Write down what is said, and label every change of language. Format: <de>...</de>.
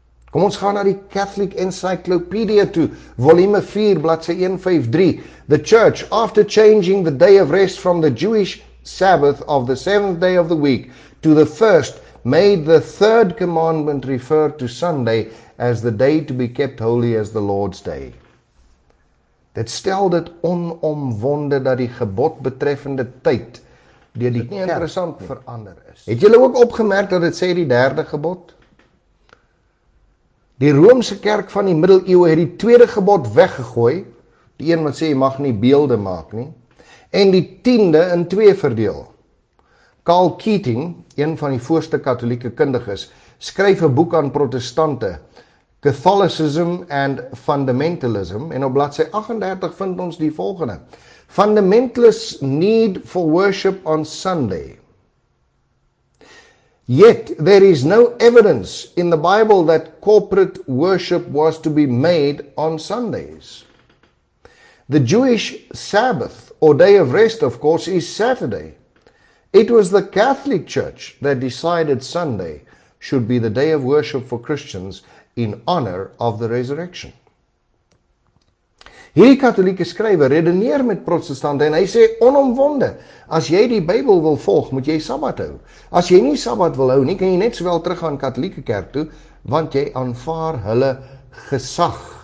<af>Kom ons gaan na die Catholic Encyclopedia toe, volume 4, bladsy 153.</af> <en>The Church, after changing the day of rest from the Jewish Sabbath of the seventh day of the week to the first, made the third commandment refer to Sunday as the day to be kept holy as the Lord's Day.</en> <af>Dit stel dit onomwonde dat die gebod betreffende tyd deur die kerk interessant verander is. Het julle ook opgemerk dat dit sê die derde gebod? Die Romeinse kerk van die middeleeue het die tweede gebod weggegooi, die een wat sê jy mag nie beelde maak nie, en die tiende in twee verdeel. Karl Keating, een van die voorste katolieke kundiges, skryf 'n boek aan protestante, Catholicism and Fundamentalism, en op bladsy 38 vind ons die volgende.</af> <en>Fundamentalists need for worship on Sunday. Yet there is no evidence in the Bible that corporate worship was to be made on Sundays. The Jewish Sabbath, or day of rest, of course, is Saturday. It was the Catholic Church that decided Sunday should be the day of worship for Christians in honor of the resurrection.</en> <af>Hierdie katolieke skrywer redeneer met protestante en hy sê onomwonde, as jy die Bybel wil volg, moet jy Sabbat hou. As jy nie Sabbat wil hou nie, kan jy net sowel teruggaan katolieke kerk toe, want jy aanvaar hulle gesag.</af>